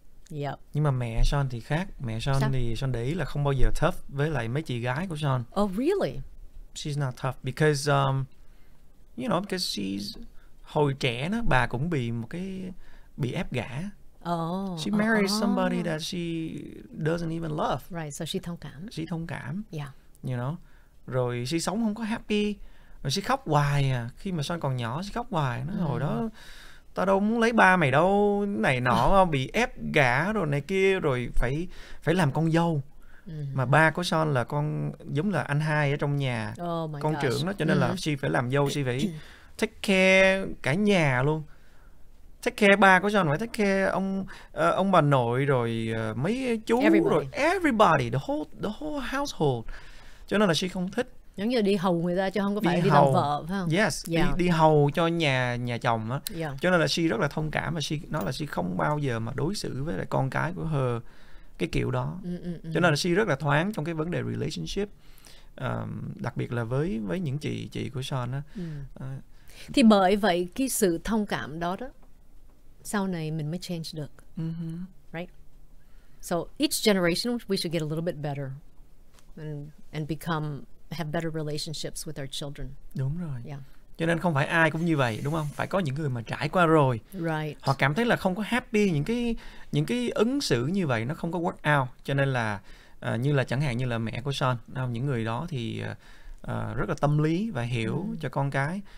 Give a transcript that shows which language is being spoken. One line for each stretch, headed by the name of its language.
English: Yep.
Vietnamese: Nhưng mà mẹ Sean thì khác. Mẹ Sean thì Sean để ý là không bao giờ tough với lại mấy chị gái của Sean.
English: Oh really? She's not tough because you know, because she's
Vietnamese: hồi trẻ nó bà cũng bị một cái bị ép gả. Oh.
English: She marries somebody that she doesn't even love. Right, so she
Vietnamese: thông cảm. She thông cảm.
English: Yeah. You know.
Vietnamese: Rồi she sống không có happy. Rồi she khóc hoài à. Khi mà Sean còn nhỏ she khóc hoài nó hồi đó tao đâu muốn lấy ba mày đâu, này nọ, bị ép gả rồi này kia, rồi phải làm con dâu. Mà ba của Sean là con giống là anh hai ở trong nhà, con
English: gosh.
Vietnamese: Trưởng đó, cho nên là she phải làm dâu, she phải take care cả nhà luôn. Take care ba của Sean, phải take care ông bà nội, rồi mấy chú,
English: everybody. Rồi everybody, the whole household.
Vietnamese: Cho nên là she không thích. Giống như đi hầu người ta chứ không có phải đi làm vợ, phải không?
English: Yes, yeah.
Vietnamese: đi hầu cho nhà chồng á.
English: Yeah.
Vietnamese: Cho nên là she rất là thông cảm và she nói là she không bao giờ mà đối xử với lại con cái của her cái kiểu đó. Cho nên là she rất là thoáng trong cái vấn đề relationship. Đặc biệt là với những chị của Sean á. Thì bởi vậy cái sự thông cảm đó sau này mình mới change được.
English: Right? So each generation we should get a little bit better and become have better relationships with our children.
Vietnamese: Đúng rồi.
English: Yeah.
Vietnamese: Cho nên không phải ai cũng như vậy, đúng không? Phải có những người mà trải qua rồi.
English: Right.
Vietnamese: Họ cảm thấy là không có happy những cái ứng xử như vậy, nó không có work out. Cho nên là như là chẳng hạn như là mẹ của Sean, những người đó thì rất là tâm lý và hiểu cho con cái.